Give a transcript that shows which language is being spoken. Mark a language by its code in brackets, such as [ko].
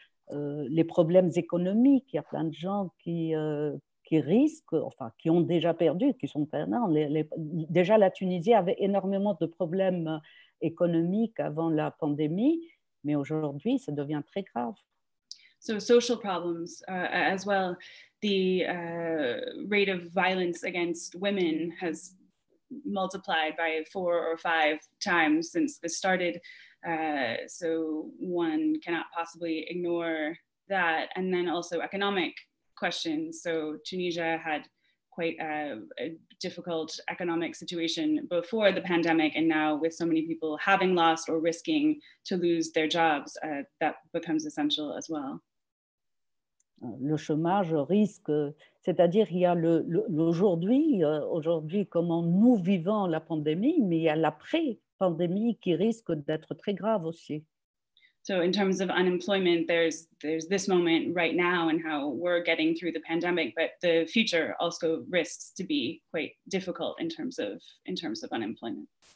[fr] Les problèmes économiques, il y a plein de gens qui risquent, enfin qui ont déjà perdu, qui sont perdants. Déjà la Tunisie avait énormément de problèmes économiques avant la pandémie, mais aujourd'hui ça devient très grave. [en] So social problems as well, the rate of violence against women has multiplied by 4 or 5 times since this started. So one cannot possibly ignore that. And then also economic questions. So Tunisia had quite a difficult economic situation before the pandemic, and now with so many people having lost or risking to lose their jobs, that becomes essential as well. [fr] Le chômage risque, c'est-à-dire il y a aujourd'hui, comment nous vivons la pandémie, mais il y a l'après. Pandémie qui risque d'être très grave aussi. [en] So in terms of unemployment, there's this moment right now and how we're getting through the pandemic, but the future also risks to be quite difficult in terms of unemployment.